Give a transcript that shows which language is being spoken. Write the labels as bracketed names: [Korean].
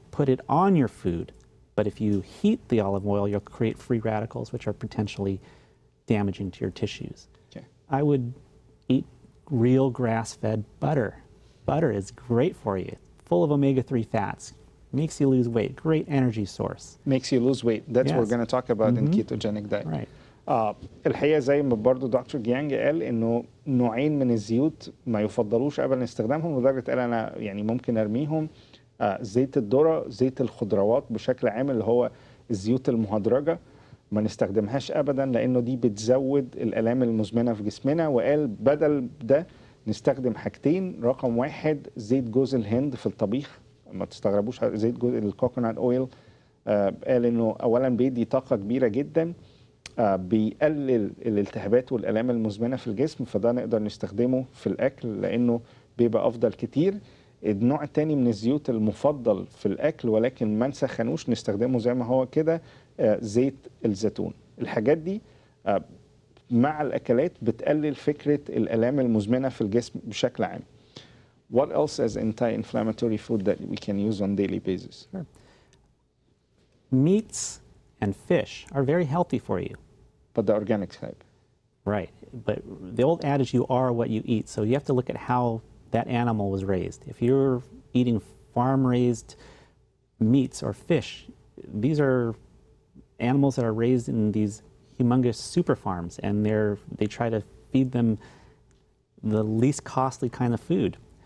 [English] Put it on your food. But if you heat the olive oil, you'll create free radicals, which are potentially damaging to your tissues. Okay. I would eat real grass-fed butter. Butter is great for you. Full of omega-3 fats. Makes you lose weight. Great energy source. Makes you lose weight. That's what we're going to talk about in ketogenic diet. Right. [Arabic] الحقيقة زي ما برضو دكتور جيانج قال إنه نوعين من الزيوت ما يفضلوش أبدا استخدامهم، لدرجة قال أنا يعني ممكن أرميهم. زيت الذرة، زيت الخضروات بشكل عام اللي هو الزيوت المهدرجة ما نستخدمهاش أبدا لأنه دي بتزود الآلام المزمنة في جسمنا. وقال بدل ده نستخدم حاجتين، رقم واحد زيت جوز الهند في الطبيخ. ما تستغربوش زيت جوز الكوكونات اويل قال انه اولا بيدي طاقه كبيره جدا بيقلل الالتهابات والالام المزمنه في الجسم، فده نقدر نستخدمه في الاكل لانه بيبقى افضل كتير. النوع الثاني من الزيوت المفضل في الاكل ولكن ما نسخنوش، نستخدمه زي ما هو كده، زيت الزيتون. الحاجات دي مع الاكلات بتقلل فكره الالام المزمنه في الجسم بشكل عام. [English] What else is anti-inflammatory food that we can use on a daily basis? Sure. Meats and fish are very healthy for you. But the organic type. Right. But the old adage, you are what you eat. So you have to look at how that animal was raised. If you're eating farm-raised meats or fish, these are animals that are raised in these humongous super farms, and they try to feed them the least costly kind of food.